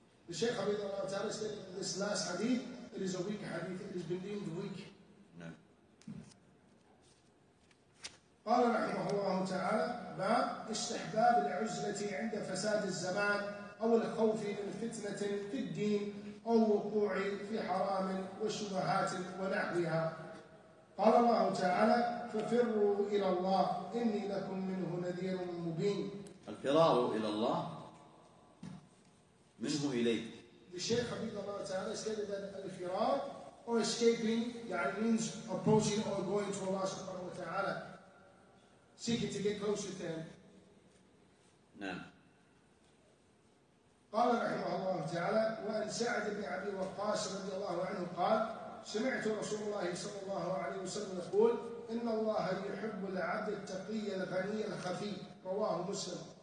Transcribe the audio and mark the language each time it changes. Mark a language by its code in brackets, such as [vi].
[ar] الشيخ عبد الله تعالى [en] stated in this last hadith it is a weak hadith it has been deemed weak [ar] قال رحمه الله تعالى باء استحباب العزلة عند فساد الزمان أو الخوف من فتنة في الدين أو وقوع في حرام وشبهات ونحوها قال الله تعالى ففروا إلى الله إني لكم منه نذير مبين الفرار إلى الله منه إليه [en] الشيخ حبيب الله تعالى stated that الفرار or escaping يعني means approaching or going to Allah سبحانه وتعالى seeking to get closer to him. [ar] نعم. قال رحمه الله تعالى وأن سعد بن أبي وقاص رضي الله عنه قال سمعت رسول الله صلى الله عليه وسلم يقول إن الله يحب العبد التقي الغني الخفي رواه مسلم.